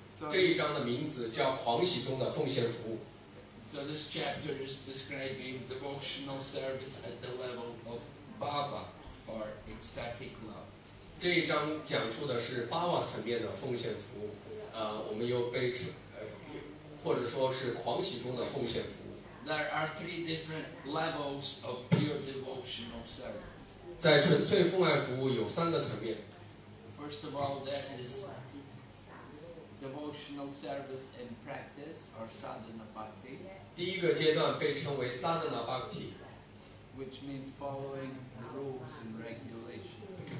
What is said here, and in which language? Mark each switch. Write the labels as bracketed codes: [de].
[zh] 这一章的名字叫狂喜中的奉献服务。 [en] So this chapter is describing devotional service at the level of bhava or ecstatic love. [zh] 这一章讲述的是 bhava 层面的奉献服务，我们又被称，或者说是狂喜中的奉献服务。 [en] There are three different levels of pure devotional service. [zh] 在纯粹奉爱服务有三个层面。 [en] First of all, that is devotional service in practice or sadhana bhakti. [zh] 第一个阶段被称为 sadhana bhakti, [en] which means following the rules and regulations.